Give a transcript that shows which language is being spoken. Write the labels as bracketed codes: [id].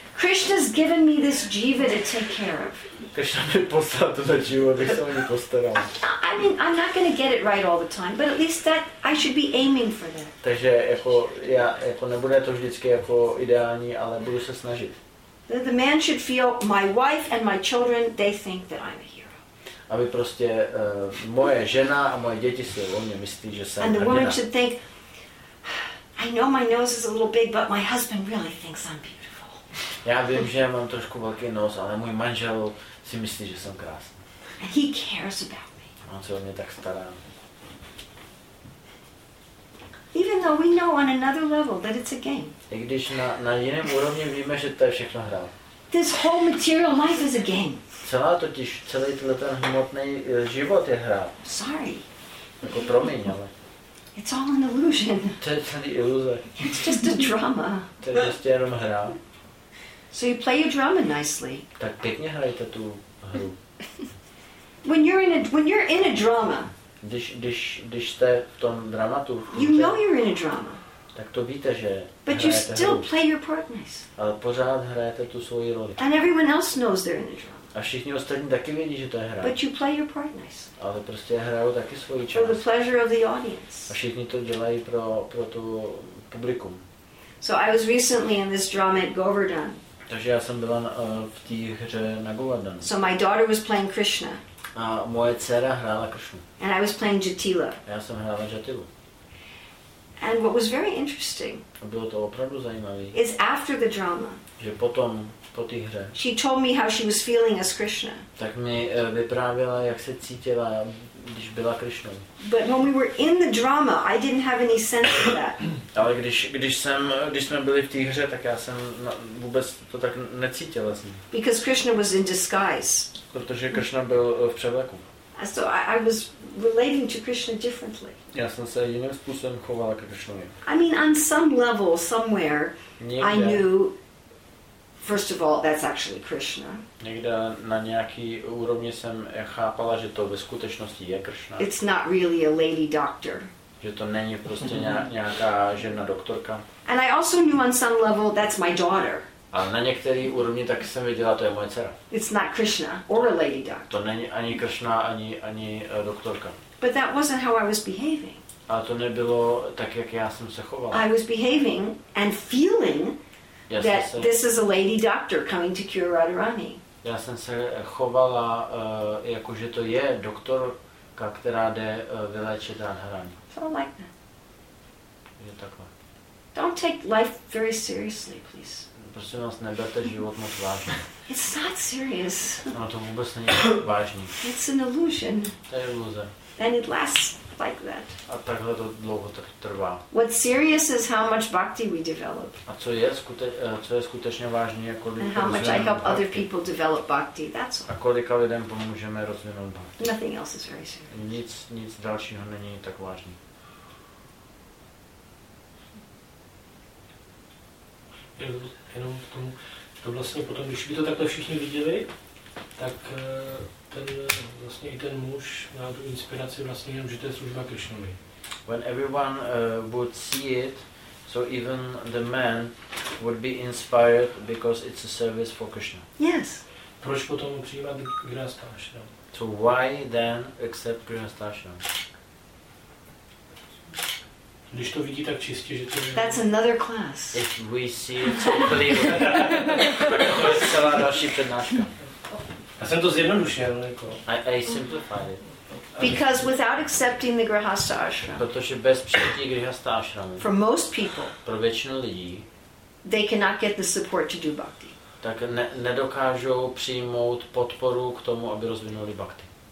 [en] Krishna's given me this jiva to take care of. [cs] Krishna mi poslal tuto jivu, abych se o ní postaral. [en] I mean, I'm not going to get it right all the time, but at least that I should be aiming for that. [cs] Takže jako já jako nebude to vždycky jako ideální, ale budu se snažit. [en] The man should feel my wife and my children, they think that I'm a hero. [cs] Aby prostě moje žena a moje děti si o mě myslí, že jsem hrdina. [en] And the woman should think, I know my nose is a little big, but my husband really thinks I'm beautiful. [cs] Já vím, že mám trošku velký nos, ale můj manžel si myslí, že jsem krásný. [en] And he cares about me. [cs] On se o mě tak stará. [en] Even though we know on another level that it's a game. [cs] I když na jiném úrovni víme, že to je všechno hra. [en] This whole material life is a game. [cs] Celá totiž, celý tenhle ten hmotný život je hra. [en] Sorry. [cs] Jako promiň, ale. [en] It's all an illusion. [cs] To je celý iluze. [en] It's just a drama. [cs] To je prostě jenom hra. [en] So you play your drama nicely. [cs] Tak pěkně hrajte tu hru. [en] when you're in a drama. [cs] Když jste v tom dramatu. [en] You know you're in a drama. [cs] Tak to víte, že. [en] But you still [cs] hru. [en] Play your part nice. [cs] Ale pořád hrajete tu svoji roli. [en] And everyone else knows they're in a drama. [cs] A všichni ostatní taky vědí, že to je hra. [en] But you play your part nice. [cs] Ale prostě hrajou taky svoji část. [en] For the pleasure of the audience. [cs] A všichni to dělají pro tu publikum. [en] So I was recently in this drama at Govardhan. [cs] Takže já jsem byla v té hře na Govardhan. [en] So my daughter was playing Krishna. [cs] A moje dcera hrála Krishnu. [en] And I was playing Jatila. [cs] Já jsem hrála Jatilu. [en] And what was very interesting. [cs] A bylo to opravdu zajímavé. [en] Is after the drama. [cs] Že potom po té hře. [en] She told me how she was feeling as Krishna. [cs] Tak mi vyprávěla, jak se cítila, když byla Krishnou. [en] But when we were in the drama, I didn't have any sense of that. [cs] Ale když jsme byli v té hře, tak já jsem vůbec to tak necítila z ní. [en] Because Krishna was in disguise. [cs] Protože Krishna byl v převleku. [en] So I was relating to Krishna differently. [cs] Já jsem se jiným způsobem chovala ke Krishnovi. [en] I mean, on some level, somewhere, [cs] někde. [en] I knew. First of all, that's actually Krishna. [cs] Někde na nějaký úrovni jsem chápala, že to ve skutečnosti je Krishna. [en] It's not really a lady doctor. [cs] Že to není prostě nějaká žena doktorka. [en] And I also knew on some level that's my daughter. [cs] A na některý úrovni taky jsem věděla, to je moje dcera. [en] It's not Krishna or a lady doctor. [cs] To není ani Krishna, ani doktorka. [en] But that wasn't how I was behaving. [cs] A to nebylo tak, jak já jsem se choval. [en] I was behaving and feeling that this is a lady doctor coming to cure Radharani. [cs] Já jsem se chovala jako že to je doktorka, která jde vyléčit Radharani. Je takhle. [en] Don't take life very seriously, please. [cs] Prosím vás, neberte život moc vážně. [en] It's not serious. [cs] No, to vůbec není vážný. [en] It's an illusion. [cs] To je iluze. [en] And it lasts like that. [cs] A takhle to dlouho trvá. [en] What's serious is how much bhakti we develop. [cs] A co je skutečně vážný, jako kolik. [en] And how much I help other people develop bhakti. That's all. [cs] A kolika lidem pomůžeme rozvinout bhakti. [en] Nothing else is very serious. [cs] Nic dalšího není tak vážný. Jenom k tomu, to vlastně potom, když by to takhle všichni viděli, tak ten vlastně i ten muž má tu inspiraci vlastně jenom, že to je služba Krishnovi. [en] When everyone would see it, so even the man would be inspired because it's a service for Krishna. Yes. [cs] Proč potom přijímat Grihastha Ashram? [en] So why then accept Grihastha Ashram? [cs] Když to vidí tak čistě, že to je... [en] That's another class. If we see it so clearly. [cs] To je celá další přednáška. Já jsem to zjednodušil, jako... [en] I simplified it. Because without accepting the Grihastha Ashram. [cs] Protože bez přijetí Grihastha Ashramu. [en] For most people. [cs] Pro většinu lidí. [en] They cannot get the support to do bhakti. [cs] Tak nedokážou přijmout podporu k tomu, aby rozvinuli bhakti.